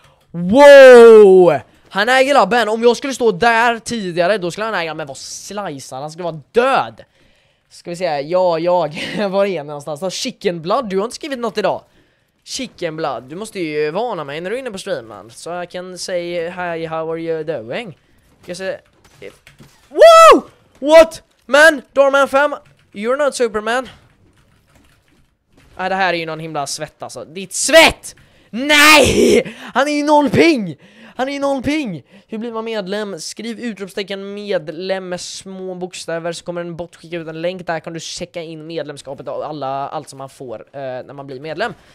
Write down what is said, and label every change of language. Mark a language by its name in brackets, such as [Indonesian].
[Swedish] Wow! Han äger labben, om jag skulle stå där tidigare, då skulle han äga, men vad slajsar, han skulle vara död. Ska vi säga, jag, var är ni någonstans? Chicken blood, du har inte skrivit något idag. Chicken blood, du måste ju varna mig när du är inne på streamen. [English] So I can say, hi, how are you doing? Wow! What? Man, Darman 5, you're not Superman. [Swedish] Nej, det här är ju någon himla svett alltså. Ditt svett! Nej! Han är ju noll ping! Hur blir man medlem? Skriv utropstecken medlem med små bokstäver så kommer en bot skicka ut en länk. Där kan du checka in medlemskapet och allt som man får när man blir medlem.